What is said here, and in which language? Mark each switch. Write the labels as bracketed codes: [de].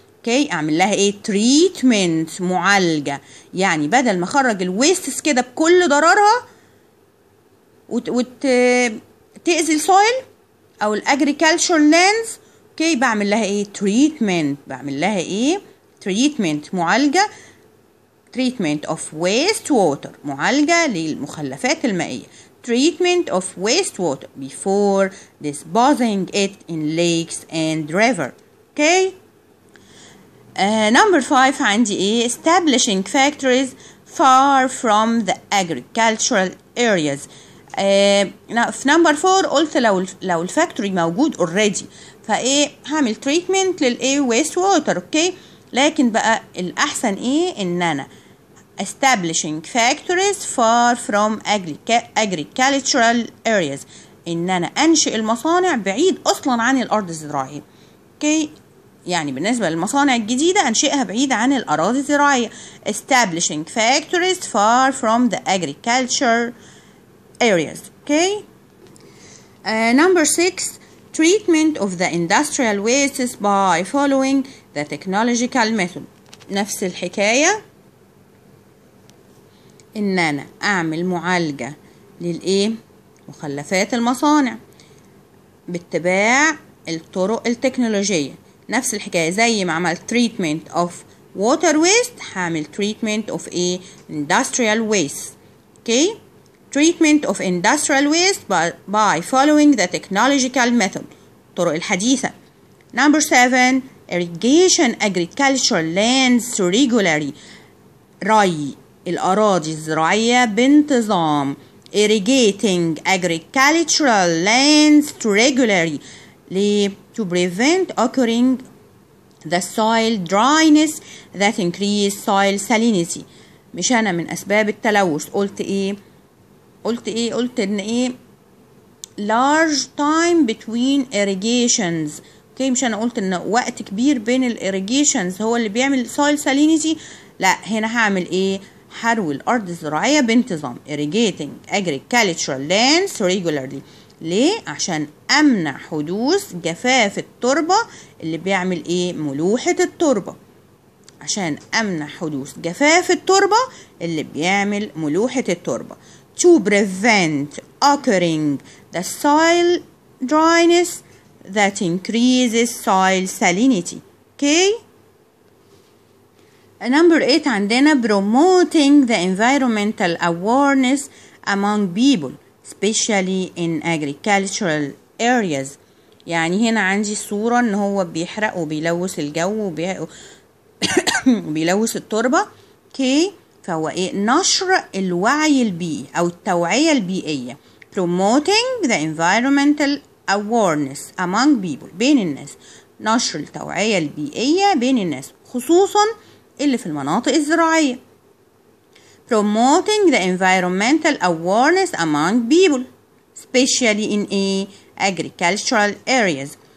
[ar] اوكي، اعمل لها ايه؟ treatment، معالجة، يعني بدل ما اخرج الwastes كده بكل ضررها وتأذي الصويل او الاجريكالتشر لاندز، اوكي، بعمل لها ايه؟ تريتمنت، بعمل لها ايه؟ تريتمنت، معالجه، [en] treatment of wastewater، [ar] معالجة للمخلفات المائية، [en] treatment of wastewater before disposing it in lakes and river. Okay. Number 5 [ar] عندي ايه؟ [en] establishing factories far from the agricultural areas. [ar] في نمبر 4 قلت لو الفاكتوري موجود already فايه هعمل treatment للايه waste water. اوكي لكن بقى الاحسن ايه ان انا [en] establishing factories far from agricultural areas، [ar] ان انا انشئ المصانع بعيد اصلا عن الارض الزراعية. اوكي يعني بالنسبة للمصانع الجديدة انشئها بعيد عن الاراضي الزراعية. [en] establishing factories far from the agriculture areas. Okay number 6 treatment of the industrial wastes by following the technological method. [ar] نفس الحكاية ان انا اعمل معالجة للايه مخلفات المصانع باتباع الطرق التكنولوجية. نفس الحكاية زي ما عملت [en] treatment of water waste هعمل treatment of a industrial waste. okay treatment of industrial waste by following the technological method، [ar] الطرق الحديثة. [en] number 7 irrigation agricultural lands regularly، [ar] ري الأراضي الزراعية بانتظام. [en] irrigating agricultural lands regularly to prevent occurring the soil dryness that increase soil salinity. [ar] مش أنا من أسباب التلوث قلت إن إيه [en] large time between irrigations. [ar] okay مش أنا قلت إن وقت كبير بين الirrigations هو اللي بيعمل soil salinity، لا هنا هعمل إيه حرو الأرض الزراعية بانتظام. [en] irrigating agricultural lands regularly [ar] ليه؟ عشان أمنع حدوث جفاف التربة اللي بيعمل إيه؟ ملوحة التربة. عشان أمنع حدوث جفاف التربة اللي بيعمل ملوحة التربة. [en] to prevent occurring the soil dryness that increases soil salinity. okay number 8 عندنا promoting the environmental awareness among people especially in agricultural areas. [ar] يعني هنا عندي صورة ان هو بيحرق وبيلوث الجو وبيلوث التربة. okay فهو ايه نشر الوعي البيئي او التوعية البيئية. [en] promoting the environmental awareness among people [ar] بين الناس، نشر التوعية البيئية بين الناس خصوصا اللي في المناطق الزراعية. [en] promoting the environmental awareness among people especially in a agricultural areas.